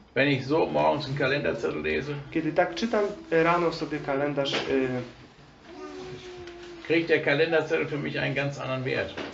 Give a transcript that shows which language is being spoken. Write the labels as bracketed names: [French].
[German] Wenn ich so morgens einen Kalenderzettel lese, [Polish] kiedy tak czytam rano sobie kalendarz, [German] kriegt der Kalenderzettel für mich einen ganz anderen Wert.